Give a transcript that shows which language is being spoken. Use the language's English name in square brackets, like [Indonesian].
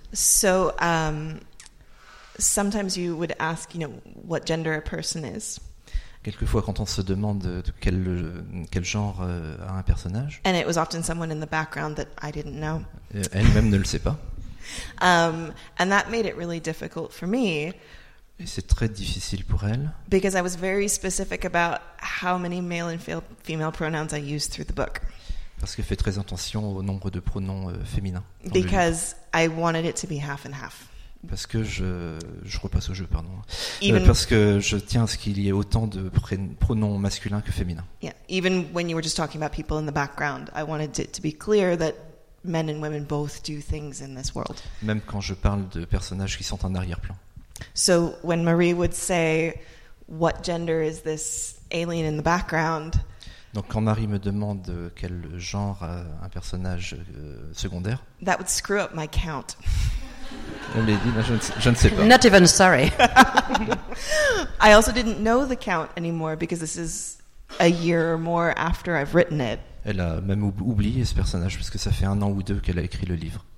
[English] So, sometimes you would ask, you know, what gender a person is. [French] Quelquefois, quand on se demande quel genre a un personnage. [English] And it was often someone in the background that I didn't know. [French] Elle-même ne le sait pas. [English] And that made it really difficult for me. [French] Et c'est très difficile pour elle. [English] Because I was very specific about how many male and female pronouns I used through the book. [French] Parce qu'elle fait très attention au nombre de pronoms féminins. [English] Because I wanted it to be half and half. [French] Parce que je repasse au jeu, pardon. Parce que je tiens à ce qu'il y ait autant de pronoms masculins que féminins. [English] Yeah, even when you were just talking about people in the background, I wanted it to be clear that men and women both do things in this world. [French] Même quand je parle de personnages qui sont en arrière-plan. [English] So when Marie would say, "What gender is this alien in the background?" [French] Donc quand Marie me demande quel genre a un personnage secondaire, [English] that would screw up my count. [French] Je ne sais pas. [English] Not even sorry. I also didn't know the count anymore because this is a year or more after I've written it. [French] Elle a même oublié ce personnage parce que ça fait un an ou deux qu'elle a écrit le livre.